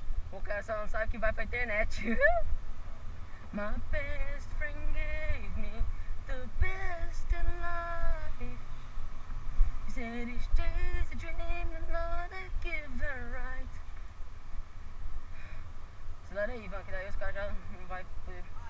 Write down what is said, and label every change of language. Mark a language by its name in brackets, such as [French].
[Portuguese] O cara só não sabe que vai pra internet. [English] My best friend gave me the best in life. Said each day's a dream and not a given right. [Portuguese] Acelera aí, Ivan, que daí os caras já não vai poder.